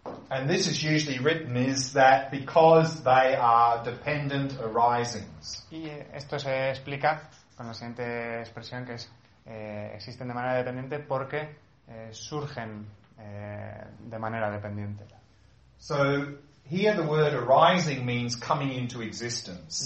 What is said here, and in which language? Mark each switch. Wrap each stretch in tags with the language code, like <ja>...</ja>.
<en>And this is usually written is that because they are dependent arisings.</en> <es>Y esto se explica con la siguiente expresión que es existen de manera dependiente porque surgen de manera dependiente.</es> <en>So here the word arising means coming into existence.</en>